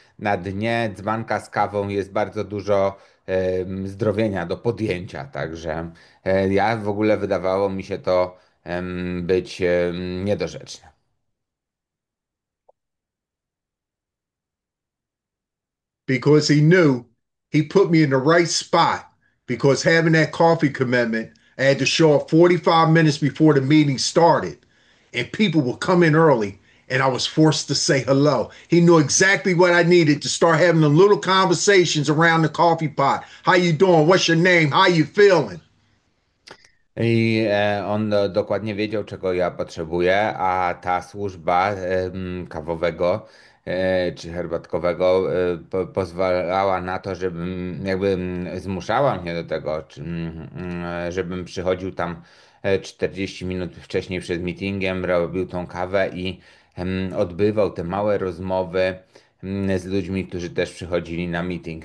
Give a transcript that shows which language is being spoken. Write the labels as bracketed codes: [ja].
[pl] na dnie dzbanka z kawą jest bardzo dużo zdrowienia do podjęcia. Także ja w ogóle wydawało mi się to być niedorzeczne. [en] Because he knew he put me in the right spot. Because having that coffee commitment, I had to show up 45 minutes before the meeting started, and people would come in early, and I was forced to say hello. He knew exactly what I needed to start having the little conversations around the coffee pot. How you doing? What's your name? How you feeling? [pl] I on dokładnie wiedział, czego ja potrzebuję, a ta służba kawowego czy herbatkowego pozwalała na to, żebym jakby zmuszała mnie do tego, żebym przychodził tam 40 minut wcześniej przed meetingiem, robił tą kawę i odbywał te małe rozmowy z ludźmi, którzy też przychodzili na meeting.